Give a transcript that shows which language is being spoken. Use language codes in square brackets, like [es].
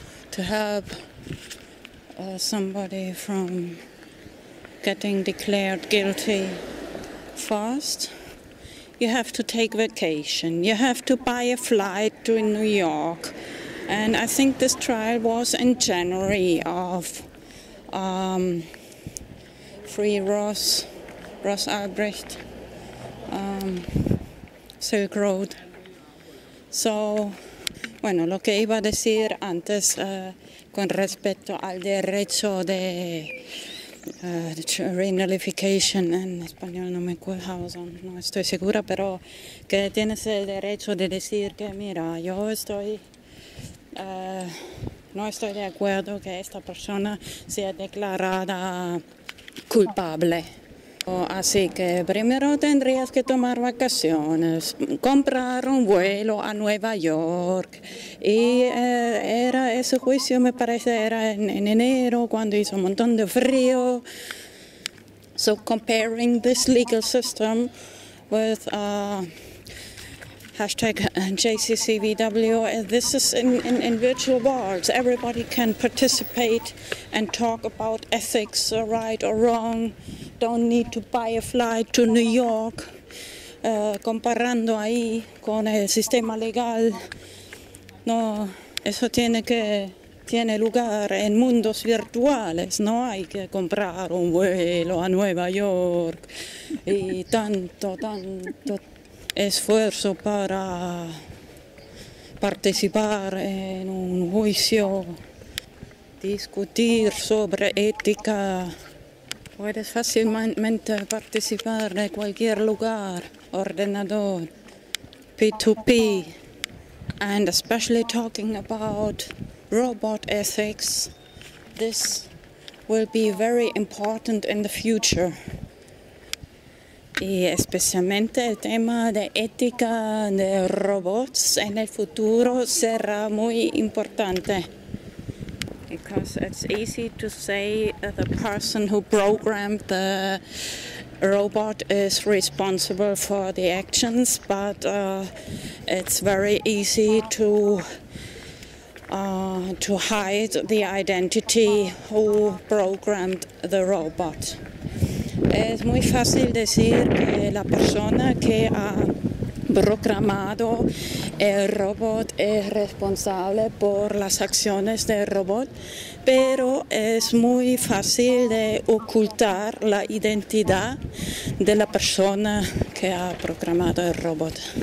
[en] to help somebody from getting declared guilty fast, you have to take vacation, you have to buy a flight to New York, and I think this trial was in January of Free Ross Albrecht, Silk Road. [es] So, bueno, lo que iba a decir antes con respecto al derecho de renullification, en español no me acuerdo, no estoy segura, pero que tienes el derecho de decir que mira, yo estoy no estoy de acuerdo que esta persona sea declarada culpable. Así que primero tendrías que tomar vacaciones, comprar un vuelo a Nueva York. Y era ese juicio, me parece, era en enero, cuando hizo un montón de frío. [en] So comparing this legal system with hashtag JCCVW, this is in virtual worlds. Everybody can participate and talk about ethics, right or wrong. Don't need to buy a flight to New York. [es] Comparando ahí con el sistema legal, no, eso tiene lugar en mundos virtuales. No hay que comprar un vuelo a Nueva York y tanto esfuerzo para participar en un juicio, discutir sobre ética. Puedes fácilmente participar de cualquier lugar, ordenador, P2P, [en] And especially talking about robot ethics, this will be very important in the future. [es] Y especialmente el tema de ética de robots en el futuro será muy importante. [en] Because it's easy to say that the person who programmed the robot is responsible for the actions, but it's very easy to hide the identity who programmed the robot. [es] Es muy fácil decir que la persona que ha programado el robot es responsable por las acciones del robot, pero es muy fácil de ocultar la identidad de la persona que ha programado el robot.